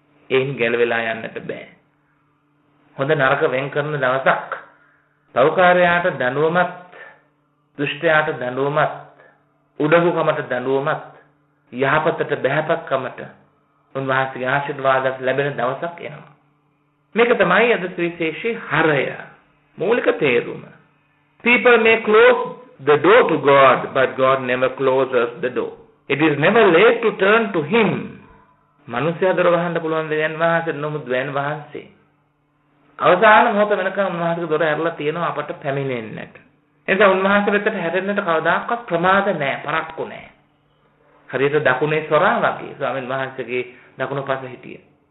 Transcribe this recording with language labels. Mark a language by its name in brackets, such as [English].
[Sinhala] ඒන් ගැලවිලා යන්නට බෑ. හොඳ නරක වෙන් කරන දවසක් පෞකාරයාට දඬුවමත් දුෂ්ටයාට දඬුවමත් උඩඟුකමට දඬුවමත් යහපතට බැහැපත්කමට උන්වහන්සේගේ ආශිර්වාදයක් ලැබෙන දවසක් එනවා. මේක තමයි අද සුවිශේෂී හරය මූලික තේරුම. [English] People may close the door to God, but God never closes the door. It is never late to turn to Him. [Sinhala] මනුෂ්‍ය අතර වහන්න පුළුවන් දෙවියන් වහන්සේ නමුත් දෙවියන් වහන්සේ අවසාන මොහොත වෙනකන් උන්වහන්සේගේ දොර ඇරලා තියෙනවා අපට පැමිණෙන්නට. එතකොට උන්වහන්සේ වෙතට හැරෙන්නට කවදාකවත් ප්‍රමාද නැහැ, පරක්කු නැහැ. හරියට දකුණේ සොරා වගේ ස්වාමීන් වහන්සේගේ දකුණු පස හිටියේ.